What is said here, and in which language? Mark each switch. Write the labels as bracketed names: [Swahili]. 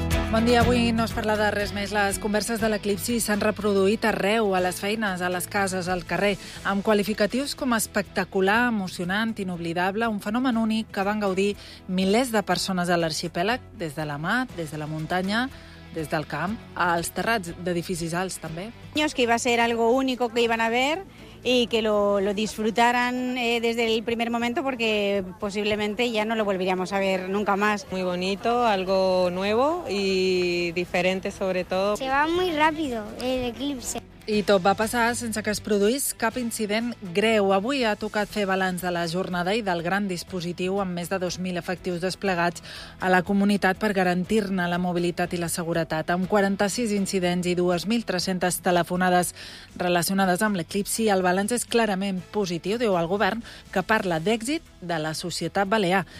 [Catalan] Bon dia, avui no es parla de res més. Les converses de l'eclipsi s'han reproduït arreu, a les feines, a les cases, al carrer, amb qualificatius com espectacular, emocionant, inoblidable, un fenomen únic que van gaudir milers de persones a l'arxipèlag, des de la mà, des de la muntanya, des del camp, als terrats d'edificis alts, també. [Spanish] Es que iba a ser algo único que iban a ver y que lo disfrutaran desde el primer momento porque posiblemente ya no lo volveríamos a ver nunca más. Muy bonito, algo nuevo y diferente sobre todo. Se va muy rápido el eclipse. [Catalan] I tot va passar sense que es produís cap incident greu. Avui ha tocat fer balanç de la jornada i del gran dispositiu amb més de 2.000 efectius desplegats a la comunitat per garantir-ne la mobilitat i la seguretat. Amb 46 incidents i 2.300 telefonades relacionades amb l'eclipsi, el balanç és clarament positiu, diu el govern, que parla d'èxit de la societat balear.